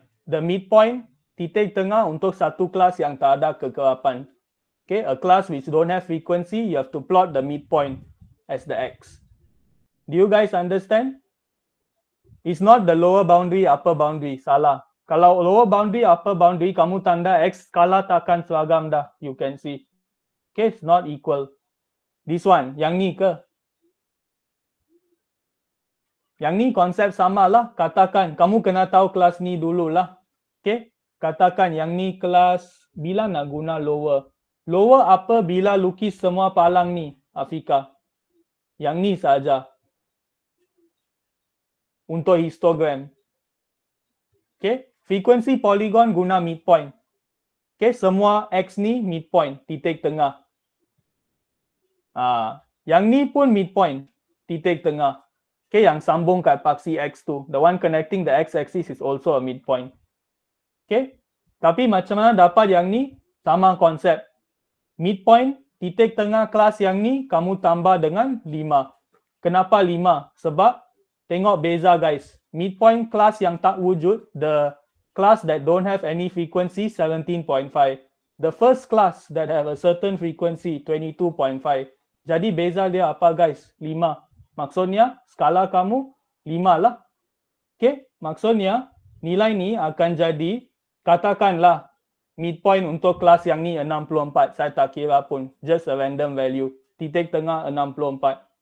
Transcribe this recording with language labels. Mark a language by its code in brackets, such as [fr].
[ms] The midpoint, titik tengah untuk satu kelas yang tak ada kekerapan. [en] Okay, a class which don't have frequency, you have to plot the midpoint as the x. Do you guys understand? It's not the lower boundary, upper boundary. Salah. [ms] Kalau lower boundary, upper boundary, kamu tanda x, skala takkan seragam dah. [en] You can see. Okay, it's not equal. [ms] This one, yang ni ke? Yang ni konsep samalah. Katakan, kamu kena tahu kelas ni dululah. Okay? Katakan yang ni kelas bila nak guna lower. Lower apa bila lukis semua palang ni, Afika? Yang ni saja. Untuk histogram. Okay? Frequency polygon guna midpoint. Okay? Semua X ni midpoint, titik tengah. Yang ni pun midpoint, titik tengah. Okay? Yang sambung kat paksi X tu. [en] The one connecting the X-axis is also a midpoint. Okay? [ms] Tapi macam mana dapat yang ni? Sama konsep. Midpoint, titik tengah kelas yang ni, kamu tambah dengan 5. Kenapa 5? Sebab, tengok beza guys. Midpoint kelas yang tak wujud, [en] the class that don't have any frequency, [ms] 17.5. [en] The first class that have a certain frequency, 22.5. [ms] Jadi beza dia apa guys? 5. Maksudnya, skala kamu 5 lah. Okay? Maksudnya, nilai ni akan jadi, katakanlah midpoint untuk kelas yang ni 64, saya tak kira pun. [en] Just a random value. [ms] Titik tengah 64.